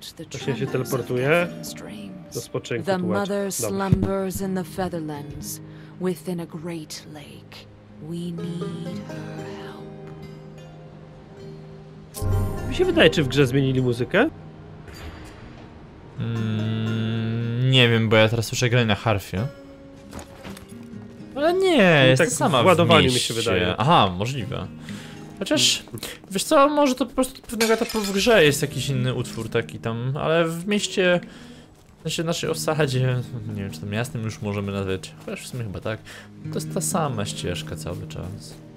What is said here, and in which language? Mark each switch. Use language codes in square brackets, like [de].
[pl] Właśnie się teleportuję do spoczynku. [en] The mother slumbers in the Featherlands within a great lake. We need her help. [pl] Mi się wydaje, czy w grze zmienili muzykę? Nie wiem, bo ja teraz słyszę grę na harfie. Ale nie, jest tak sama w ładowaniu mi się wydaje. Aha, możliwe. Chociaż, wiesz co, może to po prostu od pewnego etapu w grze jest jakiś inny utwór taki tam, ale w mieście, w sensie naszej osadzie, nie wiem, czy to miastem już możemy nazwać, chociaż w sumie chyba tak, to jest ta sama ścieżka cały czas.